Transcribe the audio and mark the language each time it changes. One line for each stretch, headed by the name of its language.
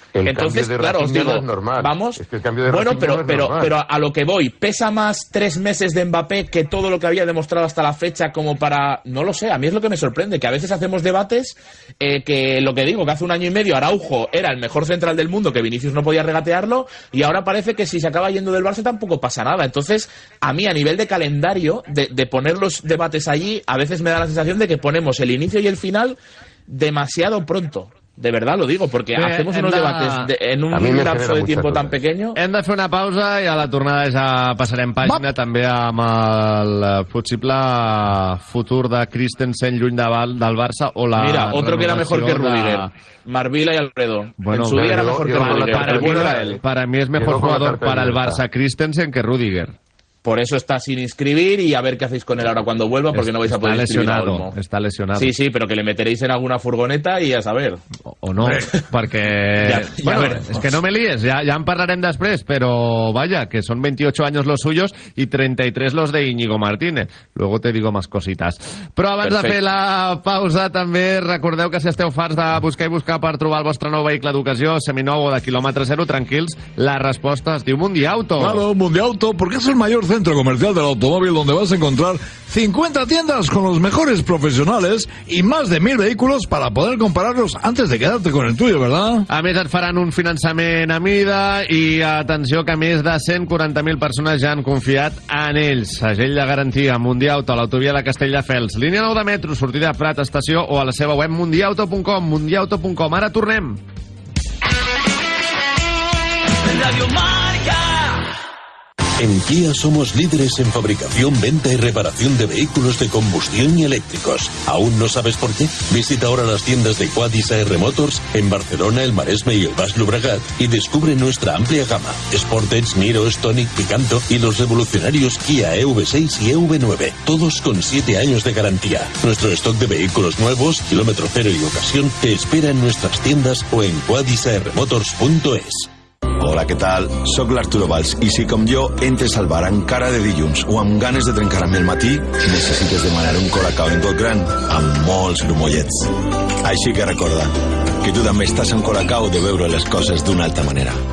Spanish: Entonces, claro, os digo, vamos, bueno, pero a lo que voy, pesa más tres meses de Mbappé que todo lo que había demostrado hasta la fecha, como para, no lo sé, a mí es lo que me sorprende, que a veces hacemos debates que lo que digo, que hace un año y medio Araujo era el mejor central del mundo, que Vinicius no podía regatearlo, y ahora parece que si se acaba yendo del Barça tampoco pasa nada. Entonces, a mí, a nivel de calendario, de poner los debates allí, a veces me da la sensación de que ponemos el inicio y el final demasiado pronto. De verdad lo digo, porque hacemos unos debates en un lapso de tiempo tan pequeño.
Catalan: Hem de fer una pausa i a la tornada ja passarem pàgina també amb el possible futur de Christensen lluny del Barça o la...
Spanish: Mira, otro que era mejor que Rüdiger. Marvila y Alfredo. Bueno, en su día era mejor que Rüdiger. Para mí es mejor jugador para el Barça Christensen que Rüdiger. Por eso está sin inscribir, y a ver qué hacéis con él ahora cuando vuelva, porque no vais a poder inscribir. Está lesionado. Sí, sí, pero que le meteréis en alguna furgoneta y a saber. O no, porque... ya bueno, es que no me líes, ya
Catalan: en parlarem després,
Spanish: pero vaya, que son 28 años los suyos y 33 los de Íñigo Martínez. Luego te digo más cositas.
Catalan: Però abans de fer la pausa també recordeu que si esteu farts de buscar i buscar per trobar el vostre nou vehicle d'ocasió, seminou o de quilòmetre zero, tranquils, la resposta es diu Mundiauto.
Spanish: Claro, Mundiauto, porque es el mayor centro comercial del automóvil, donde vas a encontrar 50 tiendas con los mejores profesionales y más de 1000 vehículos para poder compararlos antes de quedarte con el tuyo, ¿verdad?
Catalan: A més, et faran un finançament a mida, i atenció que més de 140.000 persones ja han confiat en ells. Segell de garantia, Mundiauto, a l'autovia de Castelldefels, línia 9 de metro, sortida de Prat, estació, o a la seva web mundiauto.com. Mundiauto.com. Ara tornem.
Spanish: Radio Marca. En Kia somos líderes en fabricación, venta y reparación de vehículos de combustión y eléctricos. ¿Aún no sabes por qué? Visita ahora las tiendas de Quadis AR Motors en Barcelona, el Maresme y el Baix Llobregat y descubre nuestra amplia gama. Sportage, Niro, Stonic, Picanto y los revolucionarios Kia EV6 y EV9. Todos con 7 años de garantía. Nuestro stock de vehículos nuevos, kilómetro cero y ocasión, te espera en nuestras tiendas o en quadisarmotors.es.
Catalan: Hola, què tal? Soc l'Arturo Valls, i si com jo entres al bar encara de dilluns o amb ganes de trencar amb el matí, necessites demanar un Colacao en got gran amb molts grumollets. Així que recorda que tu també estàs en Colacao de veure les coses d'una altra manera.